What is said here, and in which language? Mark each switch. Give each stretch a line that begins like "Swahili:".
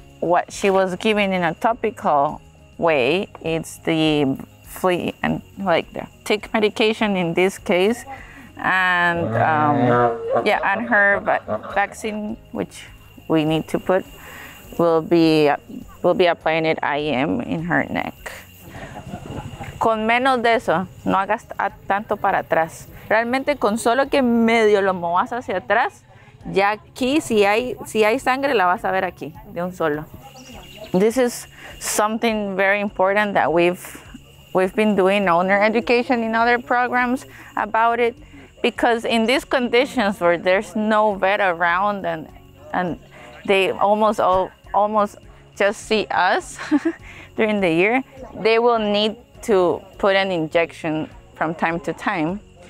English: What she was giving in a topical way, it's the flea and like the tick medication in this case. And and her vaccine, which we need to put, will be applying it IM in her neck.
Spanish: Con menos de eso, no hagas tanto para atrás. Realmente con solo que medio lo movas hacia atrás, ya aquí si hay sangre la vas a ver aquí de un solo.
English: This is something very important that we've been doing owner education in other programs about it, because in these conditions where there's no vet around and they almost just see us during the year, they will need to put an injection from time to time.